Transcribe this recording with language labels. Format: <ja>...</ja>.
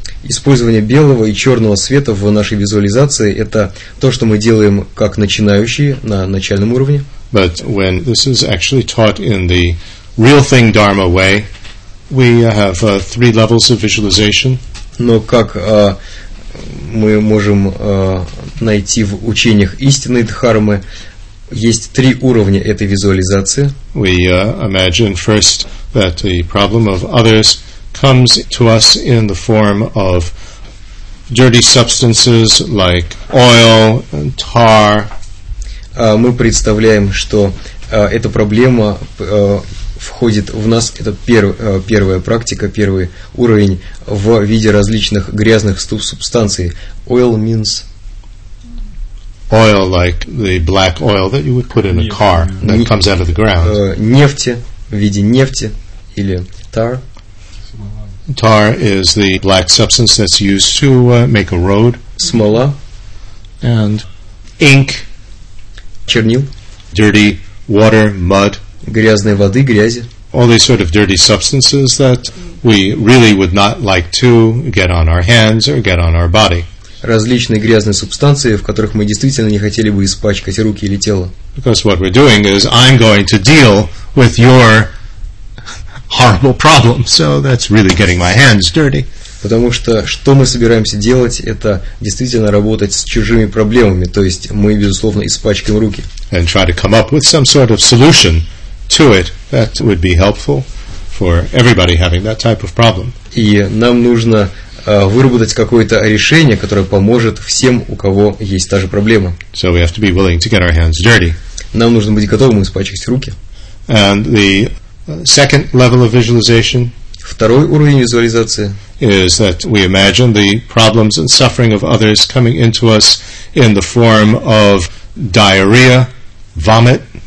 <ru>Использование белого и черного света в нашей визуализации – это то, что мы делаем как начинающие на начальном уровне.</ru> <en>But when this is actually taught in the real thing Dharma way, we have three levels of visualization.</en> <ru>Но как мы можем найти в учениях истинной Дхармы, есть три уровня этой визуализации.</ru> <en>We imagine first that the problem of others comes to us in the form of dirty substances like oil and tar.</en> <ru>Мы представляем, что эта проблема входит в нас, это первая практика, первый уровень, в виде различных грязных субстанций.</ru> <en>Oil means... Oil, like the black oil that you would put in a car that comes out of the ground.</en> <ru>Нефти, в виде нефти, или tar.</ru> <en>Tar is the black substance that's used to make a road.</en> <ru>Смола.</ru> <en>And ink.</en> <ru>Чернил.</ru> <en>Dirty water, mud.</en> <ru>Грязной воды, грязи.</ru> <en>All these sort of dirty substances that we really would not like to get on our hands or get on our body.</en> <ru>Различные грязные субстанции, в которых мы действительно не хотели бы испачкать руки или тело.</ru> <en>Because what we're doing is I'm going to deal with your horrible problem, so that's really getting my hands dirty.</en> <ru>Потому что мы собираемся делать, это действительно работать с чужими проблемами, то есть мы, безусловно, испачкаем руки.</ru> <en>And try to come up with some sort of solution to it that would be helpful for everybody having that type of problem.</en> <ru>И нам нужно выработать какое-то решение, которое поможет всем, у кого есть та же проблема.</ru> <en>So we have to be willing to get our hands dirty.</en> <ru>Нам нужно быть готовым испачкать руки.</ru> <en>And the second level of visualization.</en> <ru>Второй уровень визуализации.</ru> <en>Is that we imagine the problems and suffering of others coming into us in the form of diarrhea, vomit.</en>